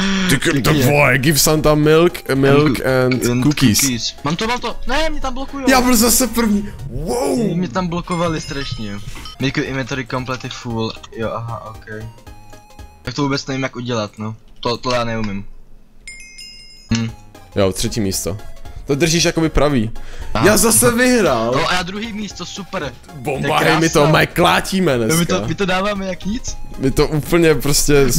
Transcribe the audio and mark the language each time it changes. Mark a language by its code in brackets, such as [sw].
[cs] Ty vole, [en] give Santa milk and cookies. [cs] Mám to, ne, mě tam blokujou. Já byl zase první, wow. Mě tam blokovali strašně. [en] Make inventory completely full, jo, aha, OK. [cs] Tak to vůbec nevím, jak udělat, no. To já neumím. Jo, třetí místo. To držíš jakoby pravý. Aha. Já zase vyhrál. No a já druhý místo, super. Bomba, hej, my to mají klátíme dneska. My to dáváme jak nic. My to úplně prostě